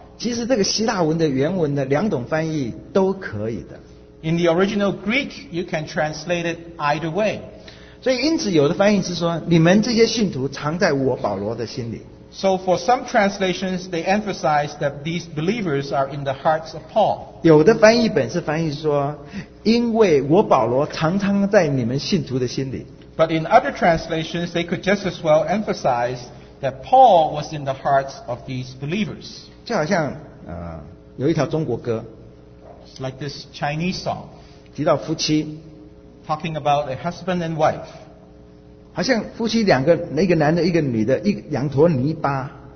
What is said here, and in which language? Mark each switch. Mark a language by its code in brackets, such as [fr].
[zh] 其实这个希腊文的原文的两种翻译都可以的 [en] In the original Greek, you can translate it either way [zh] 所以因此有的翻译是说你们这些信徒藏在我保罗的心里 [en] So for some translations, they emphasize that these believers are in the hearts of Paul. [zh] 有的翻译本是翻译说，因为我保罗常常在你们信徒的心里。 [en] But in other translations, they could just as well emphasize that Paul was in the hearts of these believers. [zh] 就好像有一条中国歌 [en] It's like this Chinese song. [zh] 提到夫妻 [en] Talking about a husband and wife. [zh] 好像夫妻两个，一个男的，一个女的，一两坨泥巴。